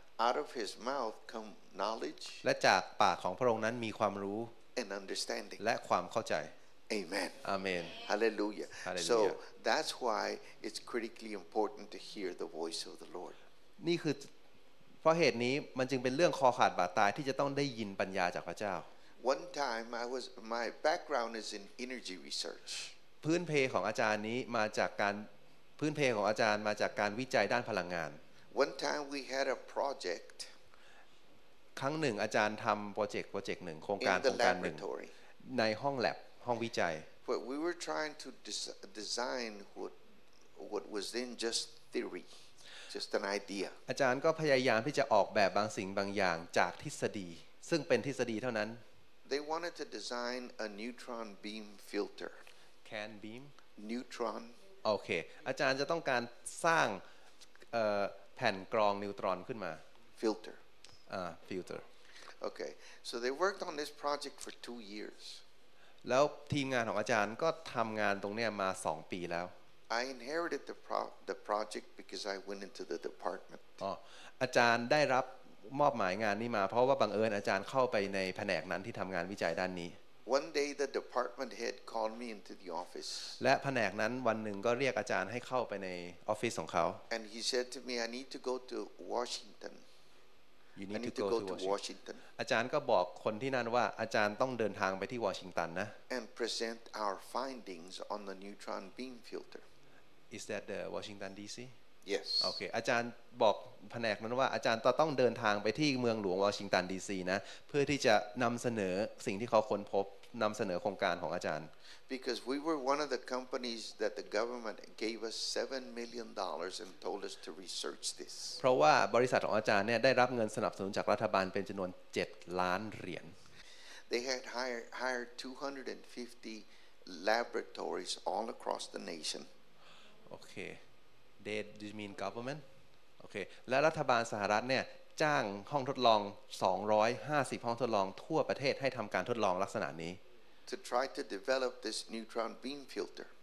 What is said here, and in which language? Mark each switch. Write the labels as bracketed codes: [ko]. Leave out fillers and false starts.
[en] out of his mouth come knowledge [th] และจากปากของพระองค์นั้นมีความรู้ [en] and understanding [th] และความเข้าใจ [en] amen amen hallelujah so that's why it's critically important to hear the voice of the Lord [th] นี่คือเพราะเหตุนี้มันจึงเป็นเรื่องคอขาดบาดตายที่จะต้องได้ยินปัญญาจากพระเจ้า [en] One time I was my background is in energy research [th] พื้นเพของอาจารย์นี้มาจากการพื้นเพของอาจารย์มาจากการวิจัยด้านพลังงาน [en] One time we had a project [th] ครั้งหนึ่งอาจารย์ทำโปรเจกต์หนึ่งโครงการหนึ่งในห้องแลบห้องวิจัย [en] But we were trying to design what was then just theoryJust an idea. อาจารย์ก็พยายามที่จะออกแบบบางสิ่งบางอย่างจากทฤษฎีซึ่งเป็นทฤษฎีเท่านั้น They wanted to design a neutron beam filter. Can beam? Neutron. Okay. [th] อาจารย์จะต้องการสร้างแผ่นกรองนิวตรอนขึ้นมา [en] Filter. Filter. Okay. So they worked on this project for 2 years. [th] แล้วทีมงานของอาจารย์ก็ทำงานตรงนี้มา2 ปีแล้ว [en] I inherited the project because I went into the department. [th] อาจารย์ได้รับมอบหมายงานนี้มาเพราะว่าบังเอิญอาจารย์เข้าไปในแผนกนั้นที่ทำงานวิจัยด้านนี้ [en] One day the department head called me into the office. [th] และแผนกนั้นวันหนึ่งก็เรียกอาจารย์ให้เข้าไปในออฟฟิศของเขา [en] And he said to me, I need to go to Washington. You need to go to Washington. [th] อาจารย์ก็บอกคนที่นั่นว่าอาจารย์ต้องเดินทางไปที่วอชิงตันนะ [en] And present our findings on the neutron beam filter. Is that the Washington D.C.? Yes. [th] Okay. อาจารย์บอกแผนกนั้นว่าอาจารย์ต้องเดินทางไปที่เมืองหลวงวอชิงตันดีซีนะเพื่อที่จะนำเสนอสิ่งที่เขาค้นพบนำเสนอโครงการของอาจารย์ [en] Because we were one of the companies that the government gave us $7 million and told us to research this. [th] เพราะว่าบริษัทของอาจารย์เนี่ยได้รับเงินสนับสนุนจากรัฐบาลเป็นจำนวน7 ล้านเหรียญ [en] They had hired 250 laboratories all across the nation. Okay. Do you mean government? Okay. [th] และรัฐบาลสหรัฐเนี่ยจ้างห้องทดลอง250ห้องทดลองทั่วประเทศให้ทำการทดลองลักษณะนี้ [en] To try to develop this neutron beam filter.